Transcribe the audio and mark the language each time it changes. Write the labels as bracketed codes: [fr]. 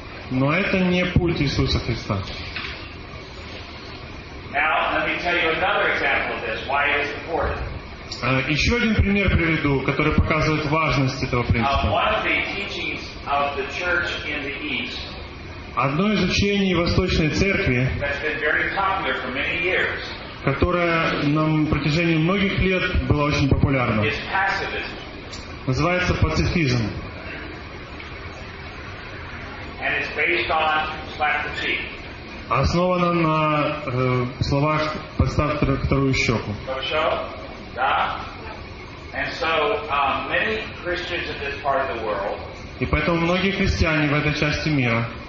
[ru] Но это не путь Иисуса Христа. [en] Now, let me tell you another example of this. Why is it important? [ru] Еще один пример приведу, который показывает важность этого принципа. [en] One of the teachings of the church in the East. [ru] Одно из учений Восточной Церкви, [en] that's been very popular for many years, [ru] которое на протяжении многих лет было очень популярно, [en] is pacifism. [ru] Называется пацифизм. [en] And it's based on slap the cheek. [ru] Основано на словах «подставь вторую щеку». Да? [en] And so, many Christians in this part of the world, [ru] и поэтому многие христиане в этой части мира